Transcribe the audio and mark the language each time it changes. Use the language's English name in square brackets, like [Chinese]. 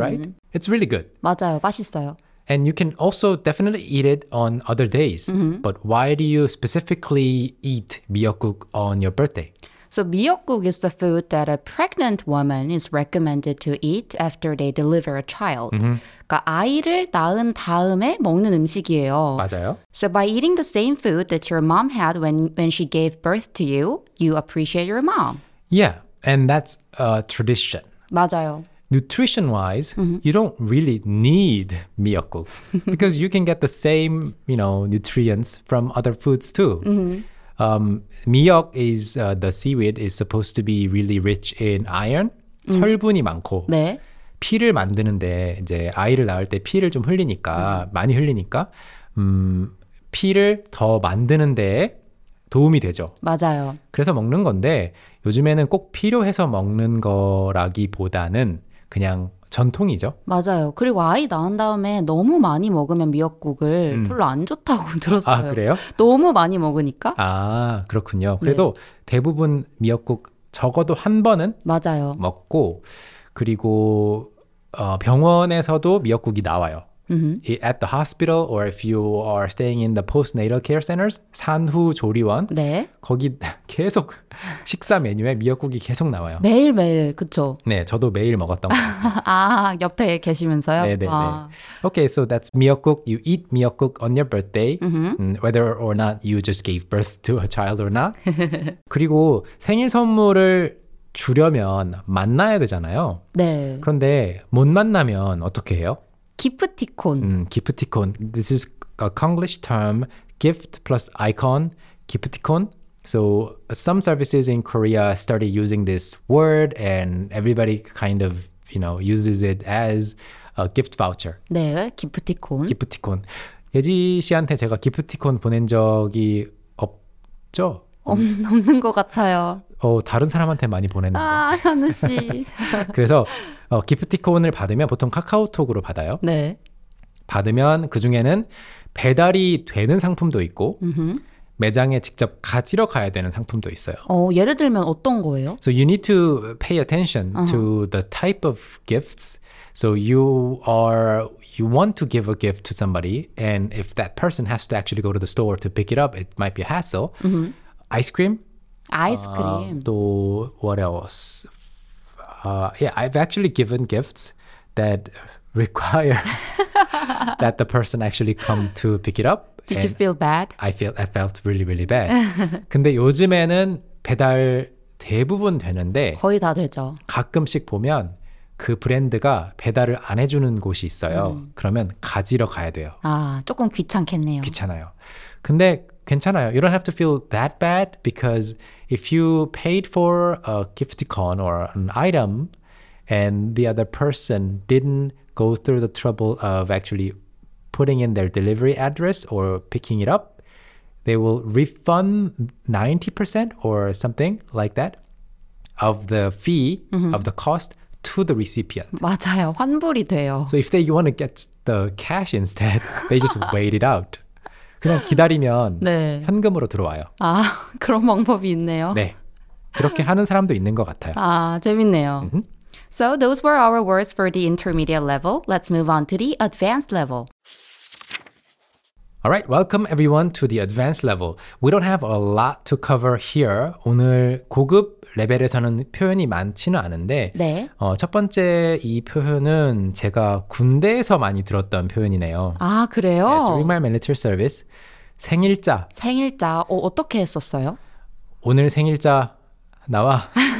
[English] right? It's really good. [Korean] 맞아요, 맛있어요. [English] And you can also definitely eat it on other days. Mm-hmm. But why do you specifically eat 미역국 on your birthday? So, 미역국 is the food that a pregnant woman is recommended to eat after they deliver a child. Mm-hmm. [Korean] 그러니까 아이를 낳은 다음에 먹는 음식이에요. 맞아요. [English] So, by eating the same food that your mom had when she gave birth to you, you appreciate your mom. Yeah, and that's a tradition. [Korean] 맞아요. [English] Nutrition-wise, mm-hmm. you don't really need 미역국 because you can get the same, you know, nutrients from other foods too. Mm-hmm. 미역 is the seaweed is supposed to be really rich in iron, [Korean] 철분이 많고 네. 피를 만드는데 이제 아이를 낳을 때 피를 좀 흘리니까 많이 흘리니까 피를 더 만드는데 도움이 되죠. 맞아요. 그래서 먹는 건데 요즘에는 꼭 필요해서 먹는 거라기보다는 그냥 전통이죠. 맞아요. 그리고 아이 낳은 다음에 너무 많이 먹으면 미역국을 별로 안 좋다고 들었어요. 아, 그래요? 너무 많이 먹으니까? 아, 그렇군요. 그래도 네. 대부분 미역국 적어도 한 번은 맞아요. 먹고 그리고 병원에서도 미역국이 나와요. Mm-hmm. [English] At the hospital or if you are staying in the postnatal care centers, 산후조리원, [Korean] 네. 거기 계속 식사 메뉴에 미역국이 계속 나와요. 매일매일, 그렇죠? 네, 저도 매일 먹었던 것 같아요. 아, 옆에 계시면서요? 네, 네, 아. 네. [English] Okay, so that's [Korean] 미역국. [English] You eat 미역국 on your birthday, whether or not you just gave birth to a child or not. [Korean] 그리고 생일 선물을 주려면 만나야 되잖아요. 네. 그런데 못 만나면 어떻게 해요? 기프티콘. [English] 기프티콘. This is a Konglish term, gift plus icon, 기프티콘. So some services in Korea started using this word and everybody kind of, you know, uses it as a gift voucher. [Korean] 네, 기프티콘. 기프티콘. 예지 씨한테 제가 기프티콘 보낸 적이 없죠? 없는 것 같아요. 다른 사람한테 많이 보냈는데. 아, 현우 씨. 그래서 기프티콘을 받으면 보통 카카오톡으로 받아요. 네. 받으면 그중에는 배달이 되는 상품도 있고 mm-hmm. 매장에 직접 가지러 가야 되는 상품도 있어요. 예를 들면 어떤 거예요? [English] So you need to pay attention to the type of gifts. So you want to give a gift to somebody and if that person has to actually go to the store to pick it up, it might be a hassle. Mm-hmm. [Korean] 아이스크림? 아이스크림. [English] 또 what else? I've actually given gifts that require that the person actually come to pick it up. Did you feel bad? I felt really, really bad. [Korean] 근데 요즘에는 배달 대부분 되는데 거의 다 되죠. 가끔씩 보면 그 브랜드가 배달을 안 해주는 곳이 있어요. 그러면 가지러 가야 돼요. 아, 조금 귀찮겠네요. 귀찮아요. 근데 괜찮아요. [English] You don't have to feel that bad because if you paid for a gift-icon or an item and the other person didn't go through the trouble of actually putting in their delivery address or picking it up, they will refund 90% or something like that of the fee, of the cost to the recipient. [Korean] 맞아요. 환불이 돼요. [English] So if they want to get the cash instead, they just wait it out. [Korean] 그냥 기다리면 네. 현금으로 들어와요. 아, 그런 방법이 있네요. 네. 그렇게 하는 사람도 있는 것 같아요. 아, 재밌네요. Mm-hmm. [English] So those were our words for the intermediate level. Let's move on to the advanced level. All right, welcome everyone to the advanced level. We don't have a lot to cover here. [Korean] 오늘 고급 레벨에서는 표현이 많지는 않은데 네. 첫 번째 이 표현은 제가 군대에서 많이 들었던 표현이네요. 아, 그래요? [English] Yeah, during my military service, 생일자. [Korean] 생일자, 어떻게 했었어요? 오늘 생일자 나와.